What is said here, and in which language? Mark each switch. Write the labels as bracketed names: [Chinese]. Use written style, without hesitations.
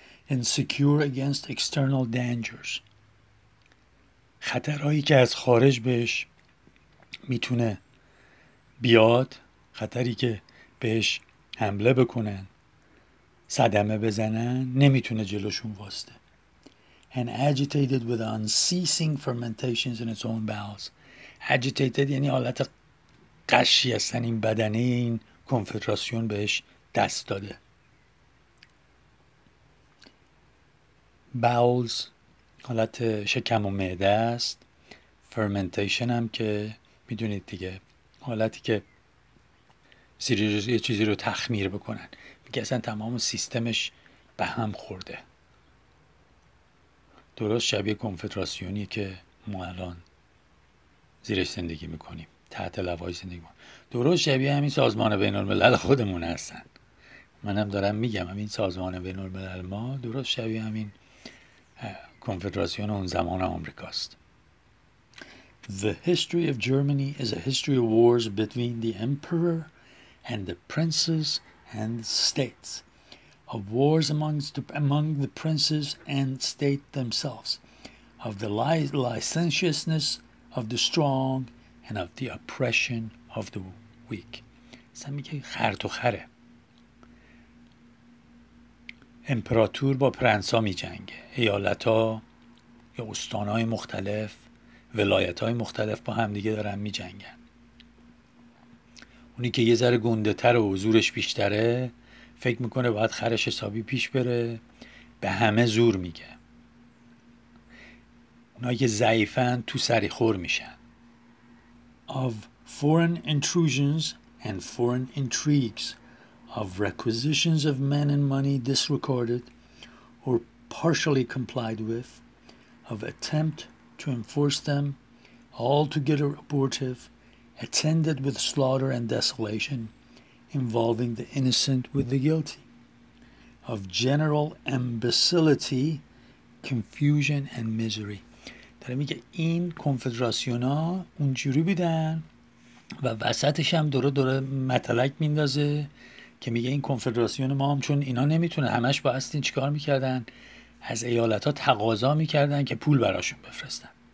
[English] Insecure against external dangers. [Persian] خطرهایی که از خارج بهش میتونه بیاد، خطری که بهش حمله بکنن، صدمه بزنن، نمیتونه جلوشون واسته. [English] And agitated with unceasing fermentations in its own bowels. [Persian] Agitated یعنی حالت قشی هستن، این بدنه این کنفدراسیون بهش دست داده. Bowels حالت شکم و معده است. Fermentation هم که میدونید دیگه، حالتی که یه چیزی رو تخمیر بکنن. میگه اصلا تمام سیستمش به هم خورده. درست شبیه کنفدراسیونی که ما الان زیرش زندگی میکنیم، تحت لوای زندگی میکنیم. درست شبیه همین سازمان بین الملل خودمون هستن. منم هم دارم میگم همین سازمان بین الملل ما درست شبیه همین کنفدراسیون اون زمان آمریکاست. [English] The history of Germany is a history of wars between the emperor and the princes and states. Of wars among the princes and state themselves. Of the licentiousness of the strong and of the oppression of the weak. [Persian] سن میگه خر تو خره. امپراتور با پرنسا میجنگه. ایالت ها یا استان های مختلف، ولایت های مختلف با هم دیگه دارن میجنگن. اونی که یه ذره گنده تر و حضورش بیشتره فکر میکنه باید خرش حسابی پیش بره، به همه زور میگه. اونایی که ضعیفن تو سری خور میشن. [English] Of foreign intrusions and foreign intrigues, of requisitions of men and money disregarded or partially complied with, of attempt to enforce them, altogether abortive, attended with slaughter and desolation, involving the innocent with the guilty, of general imbecility, confusion and misery. [Persian] داره میگه این کنفدراسیونا اونجوری بودن و وسطش هم دوره متلک میندازه که میگه این کنفدراسیون ما هم چون اینا نمیتونه همش با استین چیکار میکردن، از ایالت ها تقاضا میکردن که پول براشون بفرستن.